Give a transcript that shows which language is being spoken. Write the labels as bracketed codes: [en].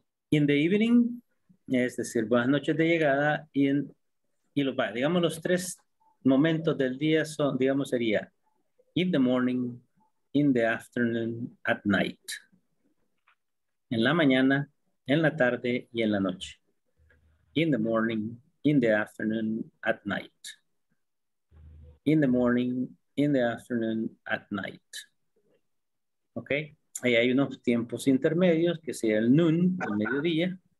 [en] In the evening, [es] es decir, buenas noches de llegada, digamos los tres momentos del día son, digamos sería, [en] in the morning, in the afternoon, at night. [es] En la mañana, en la tarde y en la noche. [en] In the morning, in the afternoon, at night. In the morning, in the afternoon, at night. Ok. [es] Ahí hay unos tiempos intermedios, que sería el noon, el mediodía.